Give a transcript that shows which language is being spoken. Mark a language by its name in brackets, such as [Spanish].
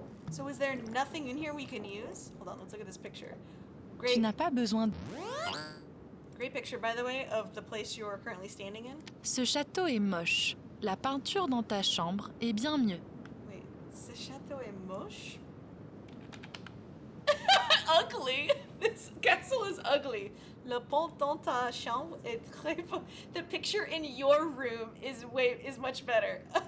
[English] So is there nothing in here we can use? Hold on, let's look at this picture. Great. [French] Tu n'as pas besoin de... [English] Great picture, by the way, of the place you are currently standing in. [French] Ce château est moche. La peinture dans ta chambre est bien mieux. [English] Wait, [French] ce château est moche? [English] Ugly! This castle is ugly. [French] Le pont dans ta chambre est très beau. [English] The picture in your room is much better.